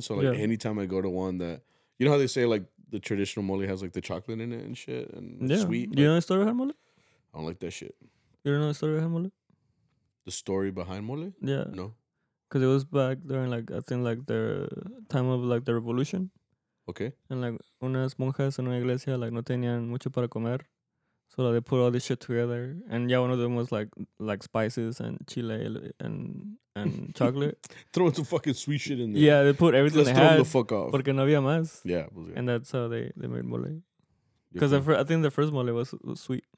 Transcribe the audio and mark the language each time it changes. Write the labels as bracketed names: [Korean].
[English] So like anytime I go to one that, you know how they say like the traditional mole has like the chocolate in it and shit and sweet. Do you know the story behind mole? I don't like that shit. You don't know the story behind mole? The story behind mole? Yeah. No. Because it was back during, like, I think, like, the time of, like, the revolution. Okay. [Spanish] And, like, unas monjas en una iglesia, like, no tenían mucho para comer. [English] So, like, they put all this shit together. And, yeah, one of them was, like spices and chile and chocolate. Throw some fucking sweet shit in there. Yeah, they put everything Let's they had. Let's throw the fuck off. [Spanish] Porque no había más. [English] Yeah. Pues, yeah. And that's how they made mole. Because I think the first mole was sweet.